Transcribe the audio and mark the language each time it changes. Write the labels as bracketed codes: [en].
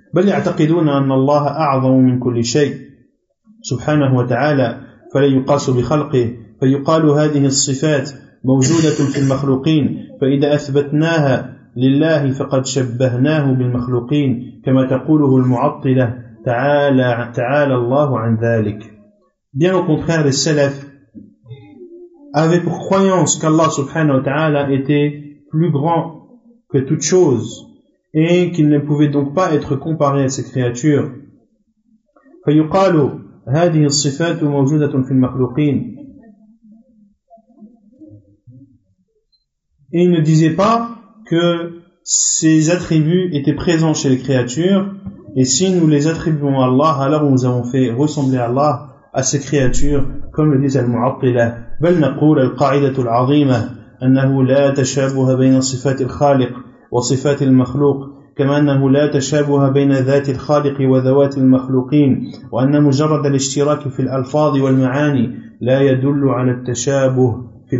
[ar] بَلْ يَعْتَقِدُونَ أَنَّ اللَّهَ أَعْظَمُ مِنْ كُلِّ شَيْءٍ سُبْحَانَهُ وَتَعَالَى فَلَيُقَاسُ بِخَلْقِهِ فَيُقَالُ هَذِهِ الصِّفَاتِ مَوْجُودَةٌ فِي الْمَخْلُوقِينَ فَإِذَا أَثْبَتْنَاهَا لله فقد شبهناه بالمخلوقين كما تقوله المعطلة تعالى الله عن ذلك. [fr] Bien au contraire, les salaf avaient pour croyance qu'Allah subhanahu wa ta'ala était plus grand que toute chose et qu'il ne pouvait donc pas être comparé à ses créatures. [ar] فيقال هذه الصفات موجودة في المخلوقين. [fr] Et il ne disait pas que ces attributs étaient présents chez les créatures, et si nous les attribuons à Allah, alors nous avons fait ressembler Allah à ces créatures, comme le disent Al-Mu'attila. [ar] بل نقول القاعدة العظيمة أنه لا تشابه بين صفات الخالق وصفات المخلوق كما أنه لا تشابه بين ذات الخالق وذوات المخلوقين وأن مجرد الاشتراك في الألفاظ والمعاني لا يدل على التشابه.